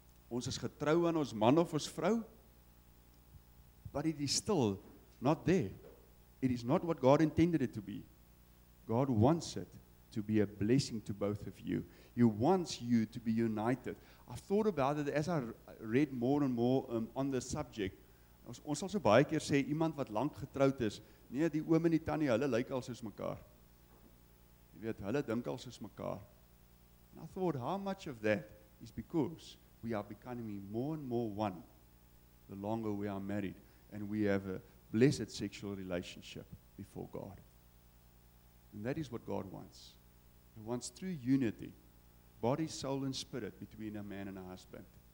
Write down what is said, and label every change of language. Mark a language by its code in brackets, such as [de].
[af] Ons is getrou aan ons man of ons vrou, [en] but it is still not there. It is not what God intended it to be. God wants it to be a blessing to both of you. He wants you to be united. I've thought about it as I read more and more on the subject. [af] Ons sal so baie keer sê, iemand wat lang getroud is, nee, die oom en die tannie, hulle lyk al soos mekaar. Jy weet, hulle dink al soos mekaar. [en] And I thought, how much of that is because we are becoming more and more one the longer we are married and we have a blessed sexual relationship before God. And that is what God wants. He wants true unity, body, soul, and spirit between a man and a husband.